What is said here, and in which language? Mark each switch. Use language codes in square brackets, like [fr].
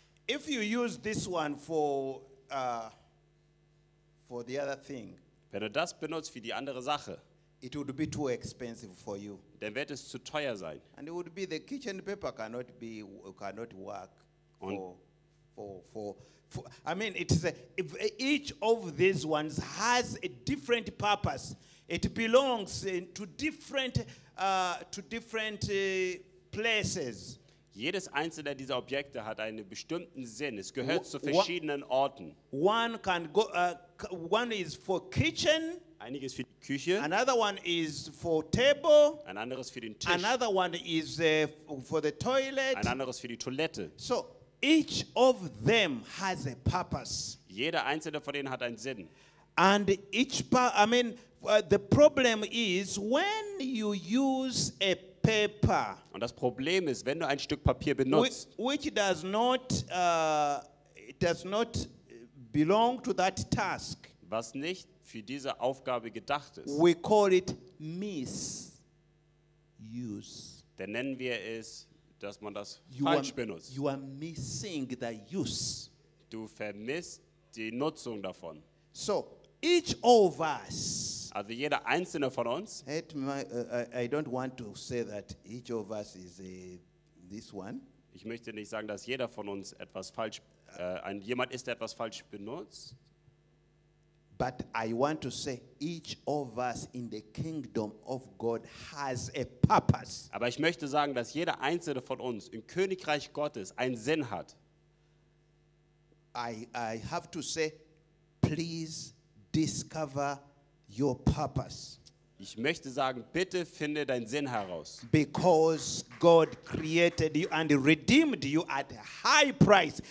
[en] If you use this one for the other thing, [de] wenn du das benutzt für die andere Sache, [en] it would be too expensive for you. [de] Dann wird es zu teuer sein. [en] And it would be the kitchen paper cannot work. [de] Und [en] for I mean it is each of these ones has a different purpose. It belongs to different places. [de] Jedes einzelne dieser Objekte hat einen bestimmten Sinn. Es gehört zu verschiedenen Orten. [en] One can go. One is for kitchen. [de] Einiges für die Küche. [en] Another one is for table. [de] Ein anderes für den Tisch. [en] Another one is for the toilet. [de] Ein anderes für die Toilette. [en] So each of them has a purpose. [de] Jeder einzelne von denen hat einen Sinn. [en] And each part, I mean. The problem is when you use a paper. [de] Und das Problem ist, wenn du ein Stück Papier benutzt, [en] which does not belong to that task. [de] Was nicht für diese Aufgabe gedacht ist. [en] We call it misuse. [de] dann nennen wir es, dass man das falsch benutzt. [en] You are missing the use. [de] Du vermisst die Nutzung davon. [en] So, each of us. [de] Also jeder einzelne von uns. [en] I don't want to say that each of us is this one. [de] Ich möchte nicht sagen, dass jeder von uns etwas falsch, jemand ist, der etwas falsch benutzt. [en] But I want to say each of us in the kingdom of God has a purpose. [de] Aber ich möchte sagen, dass jeder einzelne von uns im Königreich Gottes einen Sinn hat. [en] I have to say, please discover your purpose. [de] Ich möchte sagen, bitte finde deinen Sinn heraus. [en] Because God created you and redeemed you at a high price.